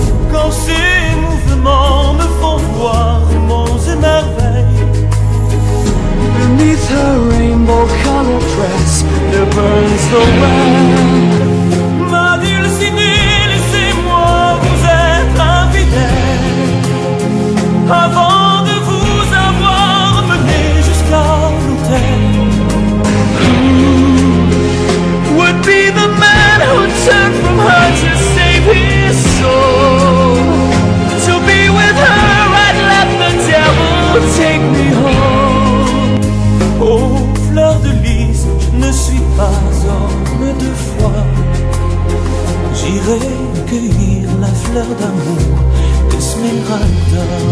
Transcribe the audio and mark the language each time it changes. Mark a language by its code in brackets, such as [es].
[fr] Quand ses mouvements me font voir monts et merveilles. [en] Beneath her rainbow colored dress, there burns the well. [fr] Ma dulcinée, laissez-moi vous être infidèle. Avant de vous avoir mené jusqu'à l'autel. [en] Be the man who turned from her to save his soul. To be with her, I'd let the devil take me home. [fr] Oh, fleur de lys, je ne suis pas homme de foi. J'irai cueillir la fleur d'amour d'Esmeralda.